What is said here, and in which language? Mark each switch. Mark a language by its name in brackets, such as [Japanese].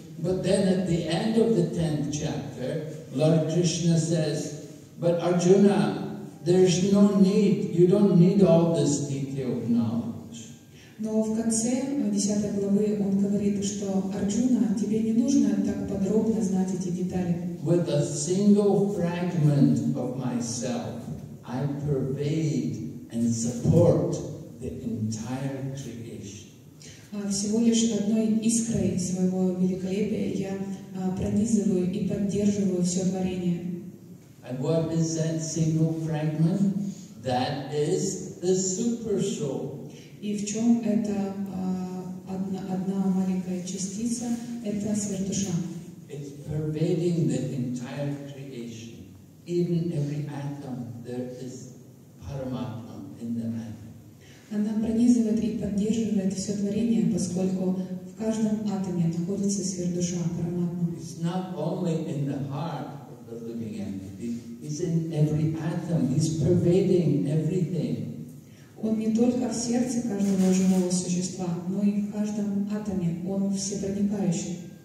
[English] But then at the end of the 10th chapter, Lord Krishna says, but Arjuna, there's no need, you don't need all this detailed knowledge. [Russian] Но в конце 10 главы он говорит, что Арджуна, тебе не нужно так подробно знать эти детали. [English] with a single fragment of myself, I pervade and support the entire creation. [Russian] Всего лишь одной искрой своего великолепия я пронизываю и поддерживаю все творение. [English] And what is that single fragment? That is the super soul. [Russian] И в чем это одна маленькая частица? Это сверхдуша. [English] It's pervading the entire creation. Even every atom, there is Paramatma in the atom. [Russian] Она пронизывает и поддерживает все творение, поскольку в каждом атоме находится сверхдуша, Параматма. [English] It's not only in the heart of the living entity, it's in every atom, it's pervading everything. [Russian] Он не только в сердце каждого живого существа, но и в каждом атоме. Он всепроникающий.